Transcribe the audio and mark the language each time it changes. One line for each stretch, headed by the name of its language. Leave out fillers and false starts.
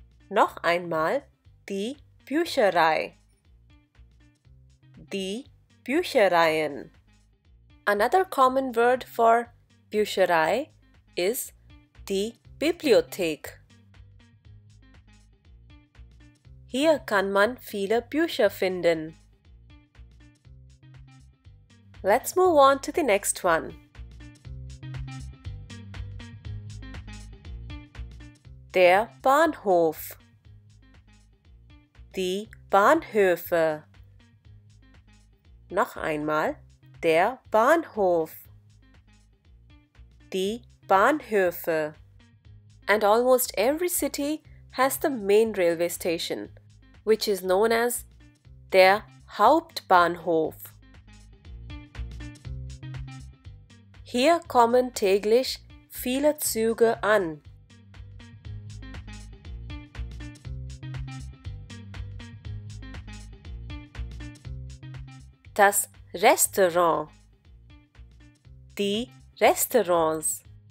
German: Noch einmal, die Bücherei. Die Büchereien.
English: Another common word for Bücherei is die Bibliothek.
German: Hier kann man viele Bücher finden.
English: Let's move on to the next one.
German: Der Bahnhof. Die Bahnhöfe. Noch einmal. Der Bahnhof. Die Bahnhöfe.
English: And almost every city has the main railway station, which is known as der Hauptbahnhof.
German: Hier kommen täglich viele Züge an. Das Restaurant. Die Restaurants.